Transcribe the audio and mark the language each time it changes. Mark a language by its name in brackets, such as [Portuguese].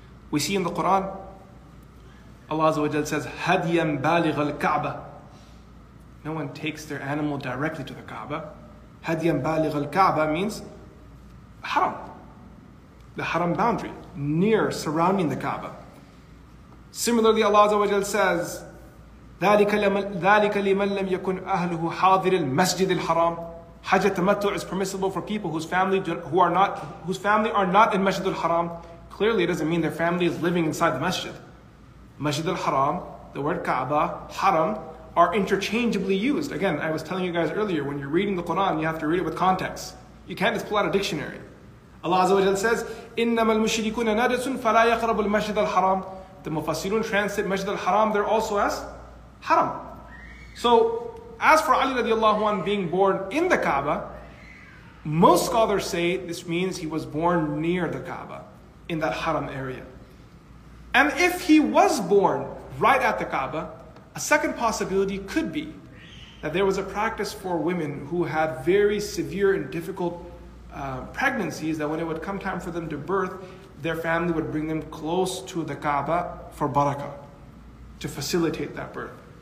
[English] We see in the Quran, Allah Azza wa Jalla says, [Arabic] هَدْيًا بَالِغَ الْكَعْبَةِ. [English] No one takes their animal directly to the Kaaba. [Arabic] هَدْيًا بَالِغَ الْكَعْبَةِ [English] means Haram, the Haram boundary, near, surrounding the Kaaba. Similarly, Allah Azza wa Jalla says, [Arabic] ذَلِكَ لِمَنْ لَمْ يَكُنْ أَهْلُهُ حَاضِرِ الْمَسْجِدِ الْحَرَامِ. [English] Hajj al-tamattu' is permissible for people whose family are not in Masjid al-Haram. Clearly it doesn't mean their family is living inside the Masjid. Masjid al-Haram, the word Kaaba, Haram, are interchangeably used. Again, I was telling you guys earlier, when you're reading the Quran, you have to read it with context. You can't just pull out a dictionary. Allah Azza wa Jalla says, [Arabic] إِنَّمَا الْمُشْرِكُونَ نَادِسٌ فَلَا يَقْرَبُ الْمَسْجِدَ الْحَرَامِ. [English] The Mufassirun translate Masjid al-Haram, they're also as Haram. So, as for Ali radiallahu anhu being born in the Kaaba, most scholars say this means he was born near the Kaaba, in that Haram area. And if he was born right at the Kaaba, a second possibility could be that there was a practice for women who had very severe and difficult pregnancies, that when it would come time for them to birth, their family would bring them close to the Kaaba for barakah, to facilitate that birth.